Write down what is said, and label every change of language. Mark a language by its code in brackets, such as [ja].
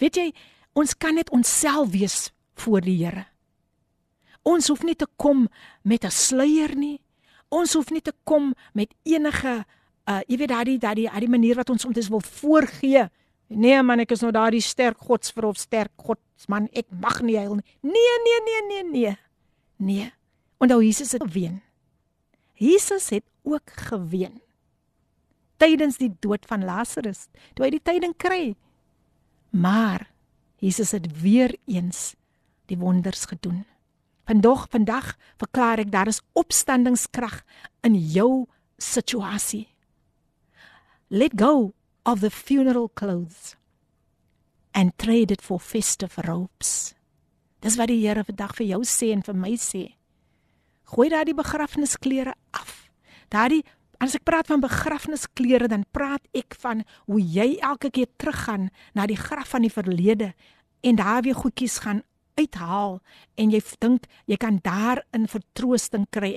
[af] Weet jy, ons kan net onsself wees voor die Here. Ons hoef nie te kom met 'n sluier nie. Ons hoef nie te kom met enige, die manier wat ons soms wil voorgee. Nee man, ek is nou daardie sterk godsvrou, sterk godsman, ek mag nie huil nie. Nee. Onthou, Jesus het geween. Jesus het ook geween. Tydens die dood van Lazarus, toe hy die tyding kry. Maar Jesus het weer eens die wonders gedoen. Vandag verklaar ek, daar is opstandingskrag in jou situasie. [en] Let go of the funeral clothes and trade it for festive robes. [af] Dis wat die Here vandag vir jou sê en vir my sê. Gooi daar die begrafnisklere af. As ek praat van begrafnisklere, dan praat ek van hoe jy elke keer teruggaan na die graf van die verlede en daar weer goedkies gaan uithaal en jy dink jy kan daar in vertroosting kry.